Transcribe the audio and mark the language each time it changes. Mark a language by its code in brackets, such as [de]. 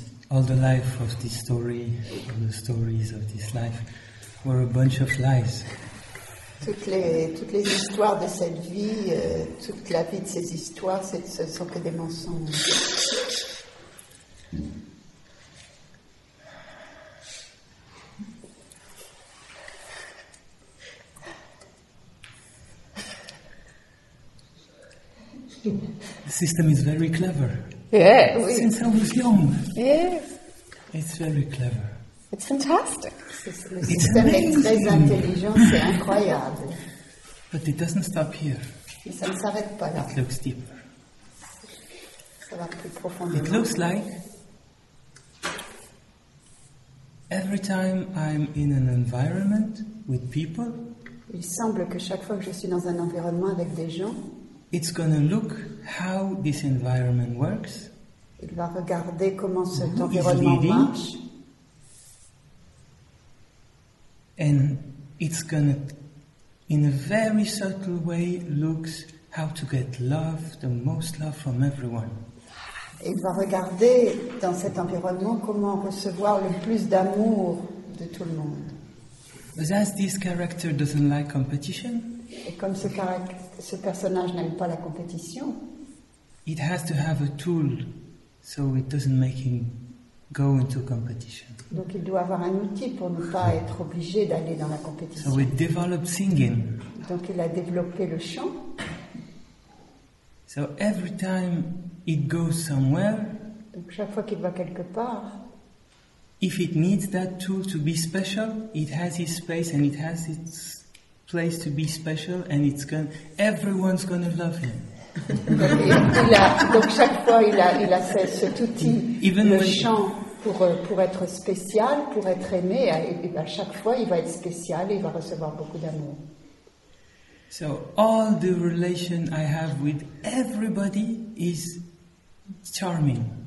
[en] All the life of this story, all the stories of this life, were a bunch of lies. [fr] Toutes les histoires de cette vie, toute la vie de ces histoires, ce sont que des mensonges. [en] The system is very clever. Yeah. Since I was young. Yeah. It's very clever. It's fantastic. It's amazing. [fr] Le système est très intelligent, c'est incroyable. [en] But it doesn't stop here. [fr] Mais ça ne s'arrête pas là. [en] It looks deeper. [fr] Ça va plus profondément. [en] It looks like every time I'm in an environment with people. [fr] Il semble que chaque fois que je suis dans un environnement avec des gens. [en] It's going to look how this environment works. [fr] Il va regarder comment cet environnement marche. [en] And it's going to, in a very subtle way, looks how to get love, the most love from everyone. [fr] Il va regarder dans cet environnement comment recevoir le plus d'amour de tout le monde. [en] But as this character doesn't like competition, [fr] et comme ce personnage n'aime pas la compétition, [en] it has to have a tool so it doesn't make him go into competition. [fr] Donc il doit avoir un outil pour ne pas être obligé d'aller dans la compétition. [en] So it developed singing. [fr] Donc il a développé le chant. [en] So every time it goes somewhere, [fr] donc chaque fois qu'il va quelque part, [en] if it needs that tool to be special, it has its space and it has its place to be special, and it's gonna. Everyone's gonna love him. [fr] Donc chaque fois il a cet outil, [en] even [fr] le chant pour être spécial, pour être aimé. Et à chaque fois il va être spécial et il va recevoir beaucoup d'amour. [en] So all the relation I have with everybody is charming.